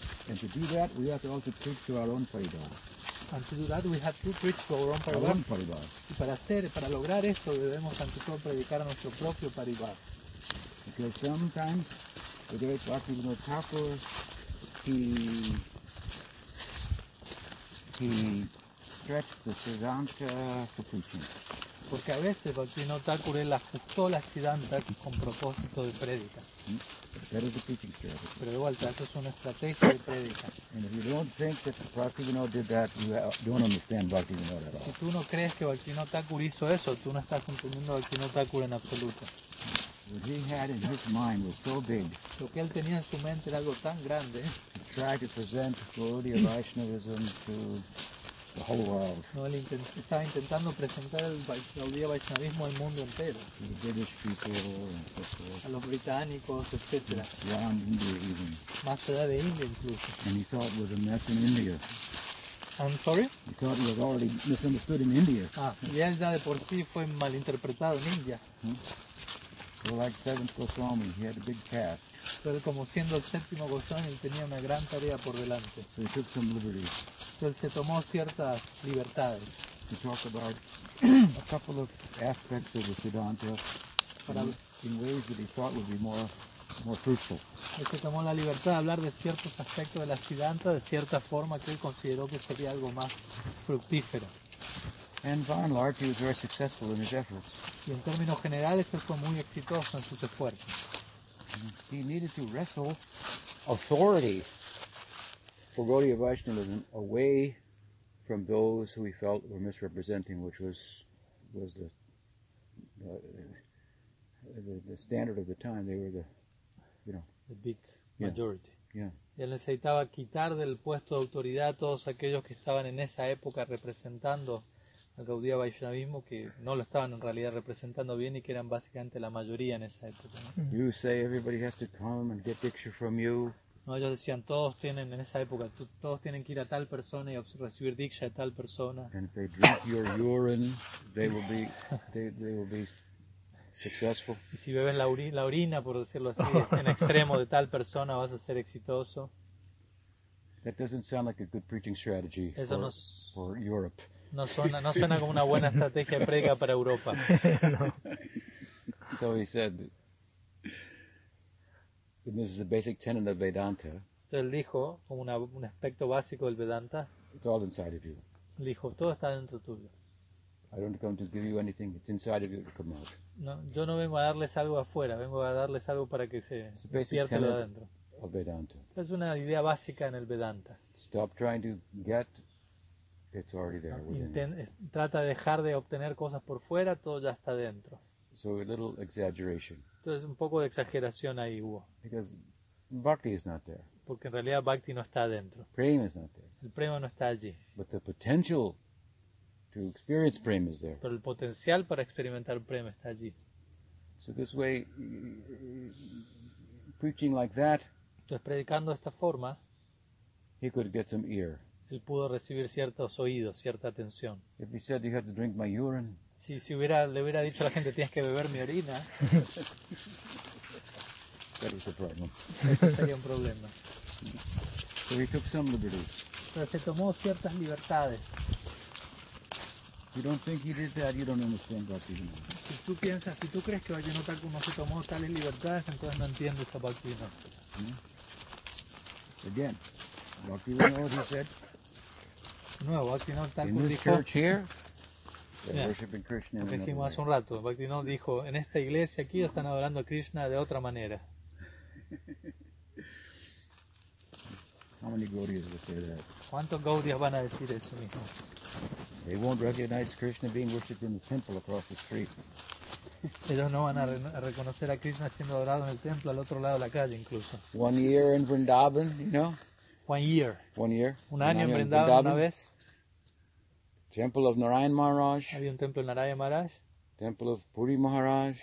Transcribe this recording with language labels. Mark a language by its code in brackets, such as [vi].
[en] And to do that, we have to also preach to our own Parivara. And to do that, we have to preach to our own Parivara. Our own Parivara. [es] Y para hacer, para lograr esto, debemos ante todo predicar a nuestro propio Parivara. [en] Because sometimes the great Bhaktivinoda Thakur, he stretched the Siddhanta for preaching. [es] Porque a veces Bhaktivinoda Thakur él ajustó la Siddhanta con propósito de predica. [en] That is the teaching strategy. [es] Pero de vuelta, eso es una estrategia de predica. [en] And if you don't think that Bhaktivinoda did that, you don't understand Bhaktivinoda at all. [es] Si tú no crees que Bhaktivinoda Thakur hizo eso, tú no estás entendiendo Bhaktivinoda Thakur en absoluto. [en] What he had in his mind was so big. [es] Lo que él tenía en su mente era algo tan grande. [en] He tried to present Gaudiya Vaishnavism to the whole world. [es] No, él estaba intentando presentar el Gaudiya Vaishnavismo al mundo entero. [en] To the British people and so forth. [es] A los británicos, etc. [en] Beyond India even. [es] Más allá de India incluso. [en] And he thought it was a mess in India. I'm sorry? He thought he was already misunderstood in India. [es] Ah, y él ya de por sí fue malinterpretado en India. [en] So like seventh Goswami, he had a big task. [es] Pero como siendo el séptimo Goswami, tenía una gran tarea por delante. [en] So he took some liberties. [es] So él se tomó ciertas libertades. [en] To talk about a couple of aspects of the Siddhanta in ways that he thought would be more fruitful. [es] Él se tomó la libertad de hablar de ciertos aspectos de la Siddhanta de cierta forma que él consideró que sería algo más fructífero. [en] And by and large, he was very successful in his efforts. [es] Y en términos generales, él fue muy exitoso en sus esfuerzos. [en] He needed to wrestle authority for Gaudiya Vaishnavism away from those who he felt were misrepresenting, which was the standard of the time. They were the big majority. Yeah. [es] Él necesitaba quitar del puesto de autoridad a todos aquellos que estaban en esa época representando al Gaudiya Vaishnavismo, que no lo estaban en realidad representando bien y que eran básicamente la mayoría en esa época. [en] You say everybody has to come and get diksha from you. [es] No, ellos decían, todos tienen en esa época, todos tienen que ir a tal persona y recibir diksha de tal persona. [en] And if they drink your urine, they will be successful. [es] Y si bebes la orina, por decirlo así, en extremo de tal persona, vas a ser exitoso. [en] That doesn't sound like a good preaching strategy for Europe. [es] No suena como una buena estrategia prega para Europa. No. [en] So he said, and this is a basic tenet of Vedanta. [es] Entonces él dijo, como un aspecto básico del Vedanta. [en] It's all inside of you. [es] Dijo, todo está dentro tuyo. [en] I don't come to give you anything. It's inside of you to come out. [es] No, yo no vengo a darles algo afuera. Vengo a darles algo para que se despierte lo adentro. [en] Of Vedanta. [es] Es una idea básica en el Vedanta. [en] Stop trying to get. It's already there. [es] Trata de dejar de obtener cosas por fuera, todo ya está dentro. [en] So a little exaggeration. [es] Entonces un poco de exageración ahí hubo. [en] Because bhakti is not there. [es] Porque en realidad bhakti no está dentro. [en] Prema is not there. [es] El prema no está allí. [en] But the potential to experience prema is there. [es] Pero el potencial para experimentar prema está allí. [en] So this way preaching like that, [es] entonces predicando de esta forma, [en] he could get some ear. [es] Él pudo recibir ciertos oídos, cierta atención. [en] If he said you have to drink my urine, [es] si hubiera dicho a la gente tienes que beber mi orina, [en] that is a problem. [es] Eso sería un problema. [en] So he took some liberties. [es] Pero se tomó ciertas libertades. [en] You don't think he did that, you don't understand Bhaktivinoda. [es] Si tú piensas, si tú crees que Vallenota como se tomó tales libertades, entonces no entiendes a Bhaktivinoda. [en] Again, Bhaktivinoda, he said. [es] No, [en] Bhaktivinoda in this church here, they're worshiping Krishna. [es] Lo dijimos hace un rato. Bhaktivinoda dijo, en esta iglesia aquí están adorando a Krishna de otra manera. [en] How many Gaudiyas will say that? [es] ¿Cuántos Gaudiyas van a decir eso mismo? [en] They won't recognize Krishna being worshipped in the temple across the street. [es] Ellos no van a reconocer a Krishna siendo adorado en el templo al otro lado de la calle incluso. [en] One year in Vrindavan, you know? One year. [es] Un año en Vrindavan una vez. [en] Temple of Narayan Maharaj. [es] Había un templo de Narayan Maharaj. [en] Temple of Puri Maharaj.